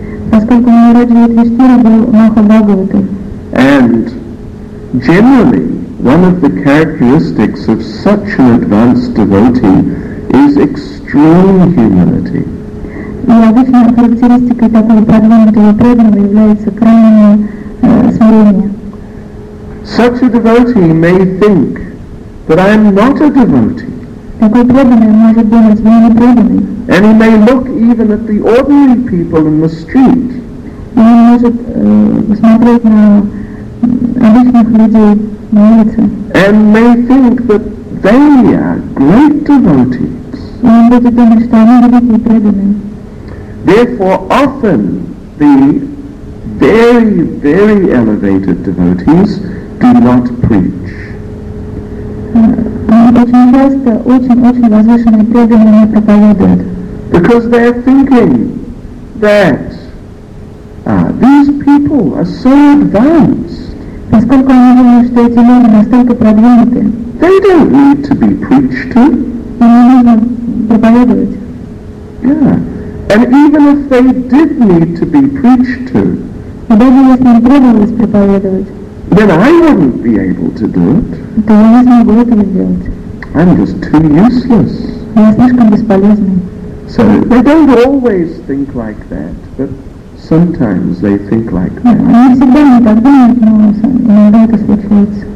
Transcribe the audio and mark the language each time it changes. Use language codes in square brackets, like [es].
[ru] Поскольку Maharaj Yudhisthira был Mahabhagavat. [en] And generally, one of the characteristics of such an advanced devotee is extreme humility. [ru] И обычная характеристика такого продвинутого преданного является крайнее смирение. [en] Such a devotee may think that I am not a devotee. [ru] Такой преданный может думать, что я не преданный. [en] And he may look even at the ordinary people in the street. [ru] И он может смотреть на обычных людей на улице. [en] And may think that they are great devotees. [ru] И он будет думать, что они великие преданные. [en] Therefore, often the very, very elevated devotees do not preach. [ru] Очень часто очень-очень возвышенные преданные не проповедуют. [en] Because they are thinking that these people are so advanced. [ru] Поскольку они думают, что эти люди настолько продвинуты. [en] They don't need to be preached to. [ru] Им не нужно проповедовать. [en] Yeah. And even if they did need to be preached to, then I wouldn't be able to do it. I'm just too useless. So they don't always think like that, but sometimes they think like that.